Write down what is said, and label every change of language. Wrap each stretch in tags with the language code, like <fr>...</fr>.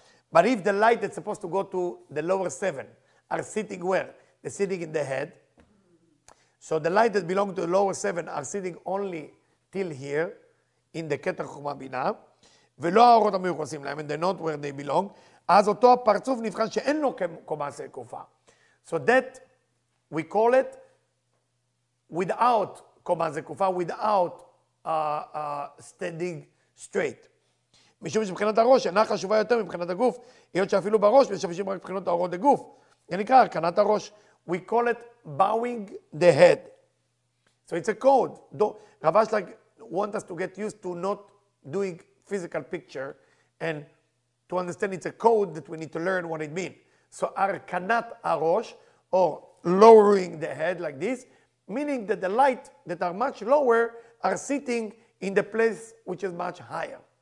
<en>But if the light that's supposed to go to the lower seven are sitting where? They're sitting in the head. So the light that belongs to the lower seven are sitting only till here in the Keter Chokhmah Binah.</en> <he>ולא האורות המיוחסים להם,</he> <en>and they're not where they belong,</en> <he>אז אותו הפרצוף נבחן שאין לו קומה סקופה.</he> <en>So that, we call it, without קומה סקופה, without standing straight.</en> <he>משום שבחינת הראש, אינה חשובה יותר מבחינת הגוף, היות שאפילו בראש, משמשים רק בחינות האורות הגוף. זה נקרא, הרכנת הראש.</he> <en>We call it bowing the head. So it's a code. רב אשלג want us to get used to not doing physical picture and to understand it's a code that we need to learn what it means. So arkanat arosh or lowering the head like this, meaning that the light that are much lower are sitting in the place which is much higher.</en>